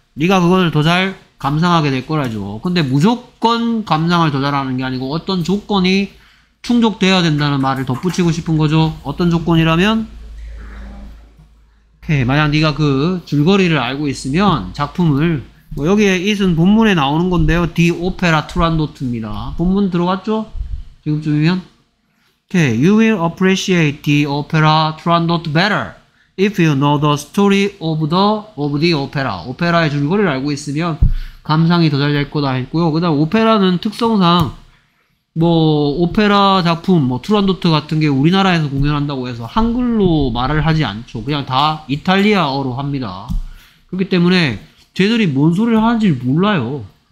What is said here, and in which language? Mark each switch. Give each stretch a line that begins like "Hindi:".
Korean: 네가 그것을 더잘 감상하게 될 거라죠. 근데 무조건 감상을 더 잘하는 게 아니고 어떤 조건이 충족되어야 된다는 말을 덧붙이고 싶은 거죠. 어떤 조건이라면? 만약 네가 그 줄거리를 알고 있으면 작품을 뭐 여기에 it은 본문에 나오는 건데요. 디 오페라 투란도트입니다. 본문 들어갔죠? 지금쯤이면.
English: You will appreciate the opera Turandot better if you know the story of the opera.
Korean: 오페라의 줄거리를 알고 있으면 감상이 더잘될 거다 했고요. 그다음 오페라는 특성상 뭐 오페라 작품 뭐 투란도트 같은 게 우리나라에서 공연한다고 해서 한글로 말을 하지 않죠. 그냥 다 이탈리아어로 합니다. 그렇기 때문에 쟤들이 뭔 소리를 하는지 몰라요.